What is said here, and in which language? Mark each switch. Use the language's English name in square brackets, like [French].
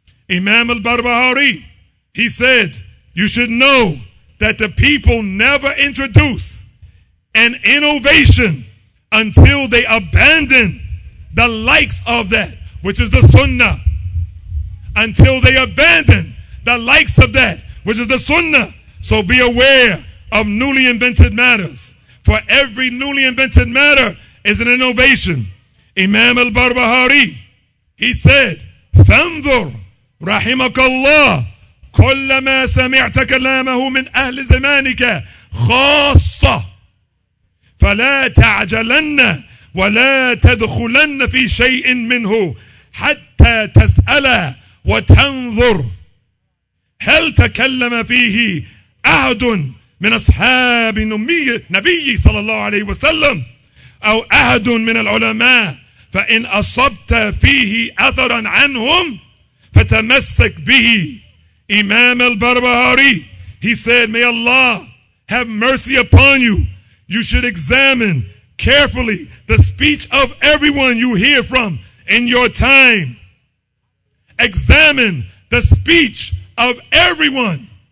[English] Imam al-Barbahari, he said, you should know that the people never introduce an innovation until they abandon the likes of that, which is the sunnah. Until they abandon the likes of that, which is the sunnah. So be aware of newly invented matters. For every newly invented matter is an innovation. Imam al-Barbahari, he said, [Arabic] فَانْذُرْ رَحِمَكَ اللَّهِ كُلَّ مَا سَمِعْتَ كَلَامَهُ مِنْ أَهْلِ زَمَانِكَ خَاصَّةً فَلَا تَعْجَلَنَّ وَلَا تَدْخُلَنَّ فِي شَيْءٍ مِنْهُ حَتَّى تَسْأَلَ وَتَنْذُرْ هَلْ تَكَلَّمَ فِيهِ أَحَدٌ من أصحاب النبي صلى الله عليه وسلم أو أحد من العلماء فإن أصبت فيه أثرا عنهم فتمسك به. [English] Imam al-Barbahari, he said, may Allah have mercy upon you. You should examine carefully the speech of everyone you hear from in your time. Examine the speech of everyone.